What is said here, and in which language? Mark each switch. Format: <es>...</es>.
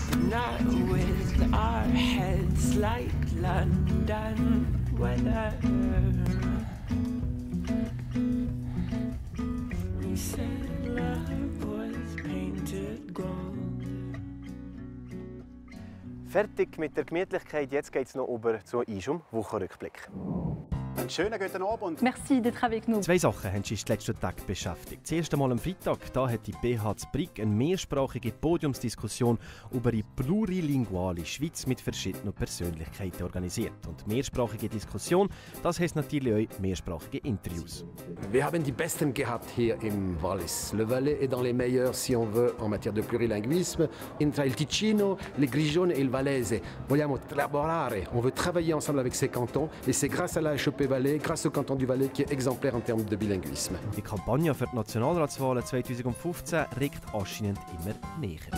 <en>Not with our heads like London weather. We said love was painted gold.</en> <de>Fertig mit der Gemütlichkeit, jetzt geht's noch über zu Isum Wochenrückblick. Schönen guten Abend.</de> <fr>Merci d'être avec nous.</fr> <de>Zwei Sachen haben sich die letzten Tage beschäftigt. Zuerst einmal am Freitag, da hat die BH Zbrigg eine mehrsprachige Podiumsdiskussion über die plurilinguale Schweiz mit verschiedenen Persönlichkeiten organisiert. Und mehrsprachige Diskussion, das heisst natürlich auch mehrsprachige Interviews. Wir haben die besten gehabt hier im Wallis.</de> <fr>Le Valais est dans les meilleurs, si on veut, en matière de plurilinguisme. Entre il Ticino, le Grigione et le Valaise.</fr> <it>Vogliamo lavorare.</it> <fr>On veut travailler ensemble avec ces cantons. Et c'est grâce à la HEP Valais, grâce au canton du Valais qui est exemplaire en termes de bilinguisme.</fr> <de>Die Kampagne für die Nationalratswahlen 2015 rückt anscheinend immer näher.</de>